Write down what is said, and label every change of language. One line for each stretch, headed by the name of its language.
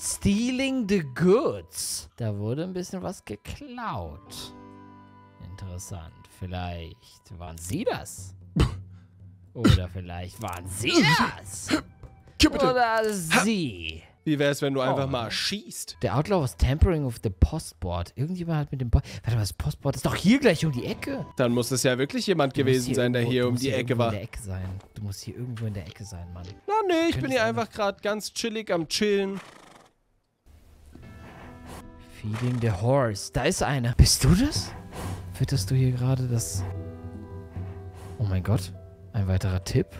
English: Stealing the goods.
German: Da wurde ein bisschen was geklaut. Interessant. Vielleicht waren sie das. Oder vielleicht waren sie das. Oder sie. Wie wäre es, wenn du einfach mal schießt?
English: The Outlaw was tampering with the postboard.
German: Irgendjemand hat mit dem Warte mal, das Postboard ist doch hier gleich um die Ecke. Dann muss es ja wirklich jemand gewesen sein, der hier um die Ecke war. Du musst hier irgendwo in der Ecke sein. Du musst hier irgendwo in der Ecke sein, Mann. Na, nee, ich bin hier einfach gerade ganz chillig am Chillen.
English: Feeding the horse.
German: Da ist einer. Bist du das? Fütterst du hier gerade das... Oh mein Gott. Ein weiterer Tipp?